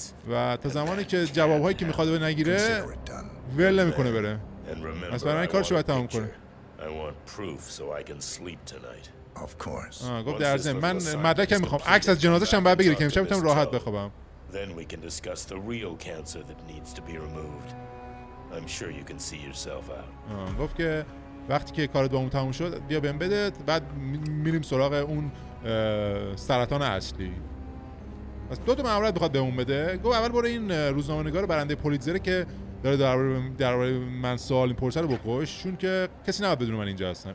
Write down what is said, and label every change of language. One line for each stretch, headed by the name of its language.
Persian: و تا زمانی که جوابهایی که میخواد نگیره ول نمیکنه بره. پس برای این کارشو باید تمام کنه.
English: I want proof so I can sleep tonight. Of course.
Persian: آه گفت در ضمن من مدرک هم میخوام. عکس از جنازه‌ش هم باید بگیری که امشب بتونم راحت بخوابم.
English: Then we can discuss the real cancer that needs to be removed. I'm sure you can see yourself out.
Persian: گفت که وقتی که کارت باهم تموم شد بیا بهم بده، بعد میریم سراغ اون سرطان اصلی. پس دو تا ماموریت بخواد بهم بده. گفت اول برو این روزنامه‌نگار برنده پولیتزر که داره درباره من سوال این پرسه رو بکش، چون که کسی نباید بدون من اینجا هستم.